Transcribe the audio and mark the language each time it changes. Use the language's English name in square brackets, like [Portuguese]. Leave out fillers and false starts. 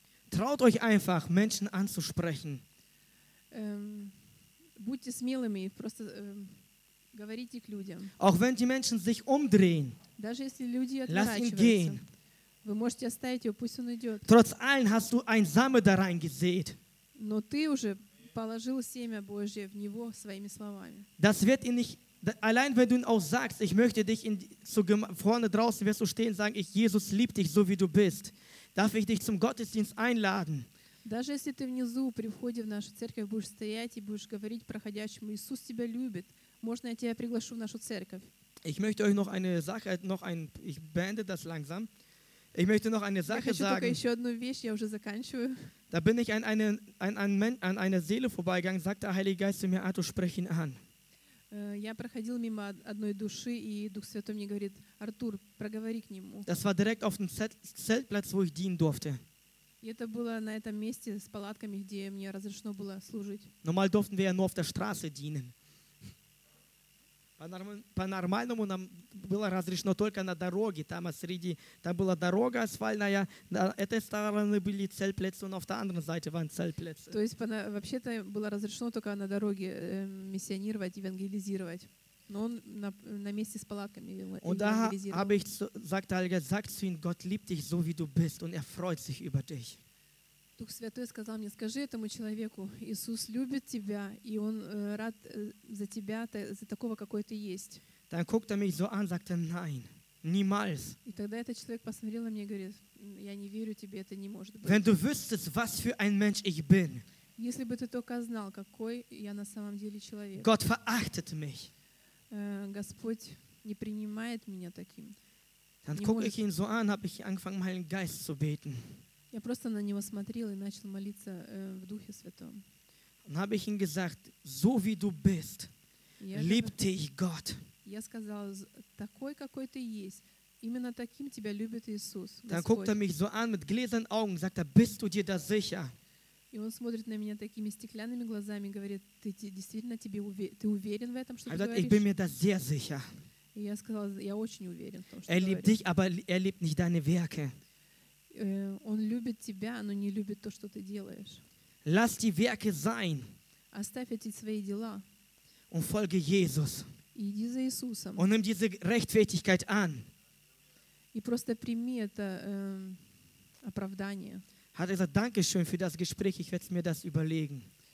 [German] Traut euch einfach, Menschen anzusprechen. [Russian] Будьте смелыми, просто говорите к людям. [German] Auch wenn die Menschen sich umdrehen, [Russian] даже если люди отворачиваются, вы можете оставить его, пусть он идет. [German] Trotz allem hast du ein Same da reingesät. [Russian] Но ты уже положил семя Божье в него своими словами. [German] Das wird ihn nicht, allein wenn du ihn auch sagst, ich möchte dich in, zu, vorne draußen wirst du stehen und sagen, ich, Jesus liebt dich so wie du bist. Darf ich dich zum Gottesdienst einladen? [Russian] Даже если ты внизу при входе в нашу церковь будешь стоять и будешь говорить проходящему, Иисус тебя любит, можно я тебя приглашу в нашу церковь? [German] Ich möchte euch noch eine Sache, noch ein, ich beende das langsam. Ich möchte noch eine Sache sagen. [Russian] Я хочу только еще одну вещь, я уже заканчиваю. [German] Da bin ich an eine Seele vorbeigegangen, sagte der Heilige Geist zu mir, Arthur, sprich ihn an. [Russian] Я проходил мимо одной души, и Дух Святой мне говорит, Артур, проговори к нему. [German] Das war direkt auf dem Zeltplatz, wo ich dienen durfte. [Russian] Это было на этом месте с палатками, где мне разрешено было служить. [German] Normal durften wir ja nur auf der Straße dienen. [Russian] По-нормальному нам было разрешено только на дороге. Там среди, там была дорога асфальтная, на этой стороны были [German] Zeltplätze, und auf der anderen Seite waren Zeltplätze. [Russian] То есть вообще-то было разрешено только на дороге миссионировать, евангелизировать. Но он на месте с палатками евангелизировал. [German] Und da sagt zu ihm, Gott liebt dich so wie du bist, und er freut sich über dich. [Russian] Дух Святой сказал мне, скажи этому человеку, Иисус любит тебя, и он рад за тебя, за такого, какой ты есть. [German] Dann guckt mich so an, sagt nein, niemals. [Russian] И тогда этот человек посмотрел на меня и говорит, я не верю тебе, это не может быть. [German] Wenn du wüsstest, was für ein Mensch ich bin. [Russian] Если бы ты только знал, какой я на самом деле человек. [German] Gott verachtet mich. [Russian] Господь не принимает меня таким. [German] Dann gucke ich ihn so an, habe ich angefangen, meinen Geist zu beten. [Russian] Я просто на него смотрел и начал молиться в Духе Святом. [German] Dann habe ich ihm gesagt, so wie du bist, liebt dich Gott. [Russian] Я сказал, такой, какой ты есть, именно таким тебя любит Иисус. [German] Dann guckt mich so an mit gläsernen Augen, sagt bist du dir da sicher? [Russian] И он смотрит на меня такими стеклянными глазами и говорит, ты действительно тебе ты уверен в этом, что ты говоришь? [German] Ich bin mir da sehr sicher. [Russian] И я сказал, я очень уверен в том, что говоришь. [German] Liebt dich, aber liebt nicht deine Werke. [Russian] Он любит тебя, но не любит то, что ты делаешь. [German] Lass die Werke sein. [Russian] Оставь эти свои дела. [German] Und folge Jesus. [Russian] И иди за Иисусом. [German] Und nimm diese Rechtfertigkeit an. [Russian] И просто прими это оправдание. [German] Hat er gesagt, danke schön für das Gespräch, ich werde mir das überlegen.